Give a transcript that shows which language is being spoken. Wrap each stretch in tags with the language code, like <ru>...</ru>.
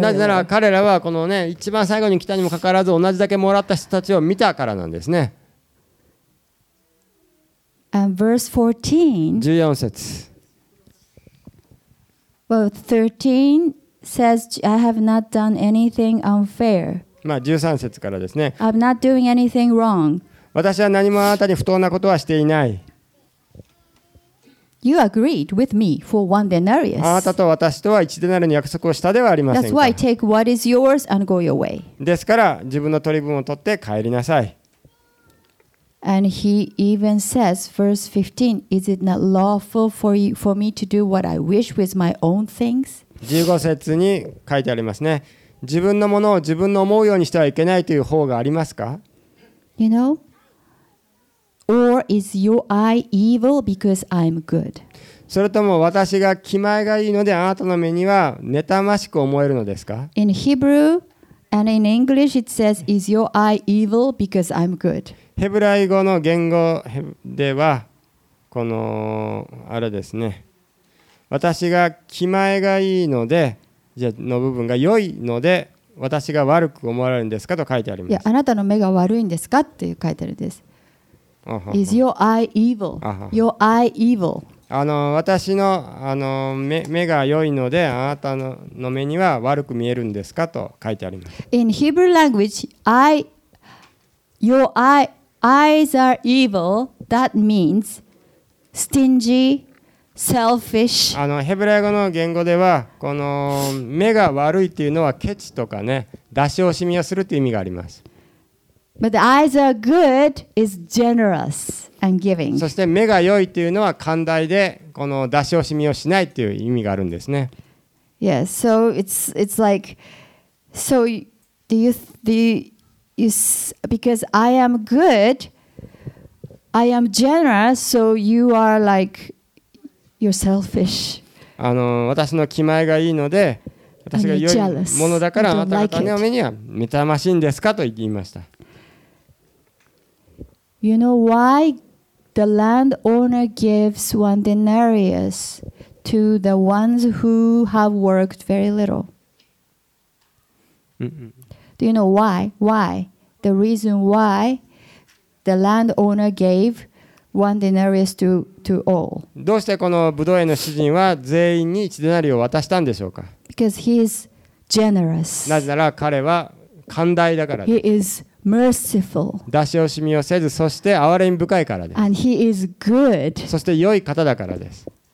<ja>なぜなら彼らはこのね一番最後に来たにもかかわらず同じだけもらった人たちを見たからなんですね。</ja> <en>And verse</en> <ja>14. 14節。</ja> <en>Well, 13. Says, I have not done anything unfair.</en> <ja>まあ13節からですね。</ja> <en>I'm not doing anything wrong.</en> <ja>私は何もあなたに不当なことはしていない。</ja> <en>You agreed with me for one denarius.</en> <ja>あなたと私とは1デナリの約束をしたではありませんか。</ja> <en>That's why take what is yours and go your way.</en> <ja>ですから自分の取り分を取って帰りなさい。</ja> <en>And he even says, verse 15, is it not lawful for me to do what I wish with my own things?</en> <ja>15節に書いてありますね。自分のものを自分の思うようにしてはいけないという方がありますか？</ja> <en>You know? Or is your eye evil because I'm good?</en> <ja>それとも私が気前がいいのであなたの目には妬ましく思えるのですか？</ja> <en>In Hebrew and in English it says, is your eye evil because I'm good?</en> <ja>ヘブライ語の言語ではこのあれですね。私が気前がいいのでじゃの部分が良いので私が悪く思われるんですかと書いてあります。いやあなたの目が悪いんですかって書いてあるんです。はは</ja> <en>Is your eye evil? Your eye evil?</en> <ja>私の目が良いのであなたの目には悪く見えるんですかと書いてあります。</ja> <en>In Hebrew language, eyes are evil. That means stingy. Selfish.</en> <ja>ヘブライ語の言語ではこの目が悪いというのはケチとかね出し惜しみをするという意味があります。</ja> <en>But the eyes are good is generous and giving.</en> <ja>そして目が良いというのは寛大でこの出し惜しみをしないという意味があるんですね。</ja> <en>Yes, so it's like so because I am good, I am generous, so you are like, you're selfish.</en> <ja>あの、私の気前がいいので、私が良いものだから、あなた方の目には妬ましいんですかと言いました。</ja> <en>You know why the landowner gives one denarius to the ones who have worked very little? Do you know why? Why? The reason why the landowner gave one denarius to all?</en> <ja>どうしてこのブドウ園の主人は全員に1デナリを渡したんでしょうか?</ja> <en>Because he is generous.</en> <ja>なぜなら彼は寛大だからです。</ja> <en>He is merciful.</en> <ja>出し惜しみをせず、そして憐れみ深いからです。</ja> <en>And he is good.</en> <ja>そして良い方だからです。</ja>